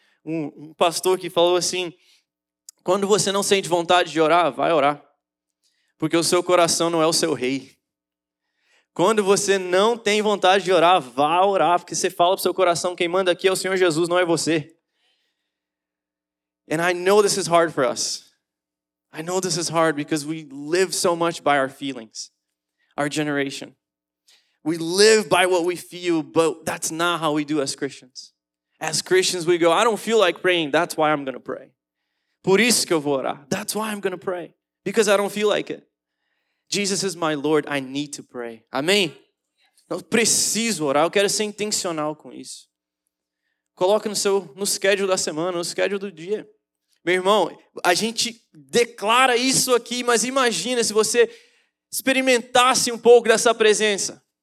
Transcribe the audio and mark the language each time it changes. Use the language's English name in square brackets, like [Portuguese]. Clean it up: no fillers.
[Portuguese] Um pastor que falou assim, quando você não sente vontade de orar, vai orar. Porque o seu coração não é o seu rei. Quando você não tem vontade de orar, vá orar. Porque você fala pro seu coração, quem manda aqui é o Senhor Jesus, não é você. [English] And I know this is hard for us. I know this is hard because we live so much by our feelings. Our generation. We live by what we feel, but that's not how we do as Christians. As Christians, we go, I don't feel like praying, that's why I'm going to pray. [Portuguese] Por isso que eu vou orar, [English] that's why I'm going to pray. Because I don't feel like it. Jesus is my Lord, I need to pray. [Portuguese] Amém? Eu preciso orar, eu quero ser intencional com isso. Coloque no schedule da semana, no schedule do dia. Meu irmão, a gente declara isso aqui, mas imagina se você experimentasse um pouco dessa presença.